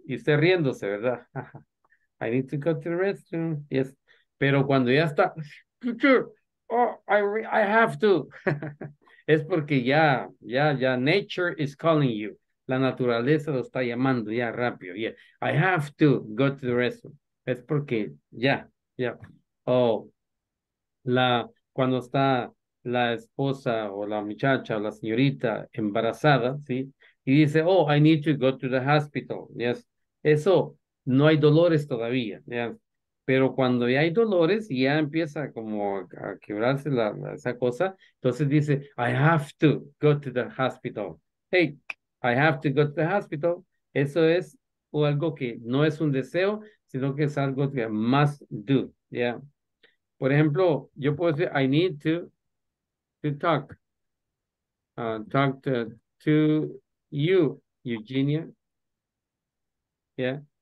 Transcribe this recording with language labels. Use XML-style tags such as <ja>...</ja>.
<es>Y usted riéndose, ¿verdad?</es> <en>I need to go to the restroom. Yes.</en> <es>Pero cuando ya está,</es> <en>teacher, oh, I have to.</en> <es>Es porque ya</es> <en>nature is calling you.</en> <es>La naturaleza lo está llamando ya rápido.</es> <en>Yeah. I have to go to the restroom.</en> <es>Es porque ya. Oh, cuando está la esposa o la muchacha o la señorita embarazada, ¿sí? Y dice,</es> <en>oh, I need to go to the hospital.</en> <es>Yes. Eso, no hay dolores todavía. Yes. Pero cuando ya hay dolores y ya empieza como a quebrarse esa cosa, entonces dice,</es> <en>I have to go to the hospital. Hey, I have to go to the hospital.</en> <es>Eso es algo que no es un deseo, sino que es algo que</es> <en>must do.</en> <es>Yeah. Por ejemplo, yo puedo decir,</es> <en>I need to talk. Talk to you, Eugenia. Yeah.</en>